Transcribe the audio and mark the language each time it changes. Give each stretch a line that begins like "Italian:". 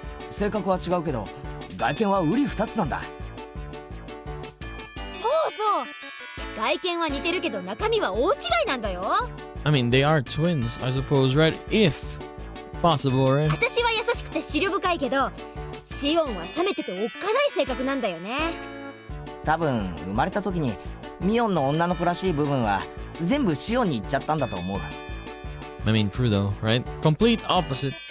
Japanese: 性格は違うけど、外見はウリ二つなんだ。そうそう。外見は似てるけど、中身は大違いなんだよ。
English: I mean, they are twins, I suppose, right? If possible, right?
Japanese: 私は優しくて思慮深いけど、シオンは冷めてておっかない性格なんだよね。多分、生まれた時にミオンの女の子らしい部分は全部シオンに行っちゃったんだと思う。
English: I mean, true though, right? Complete opposite.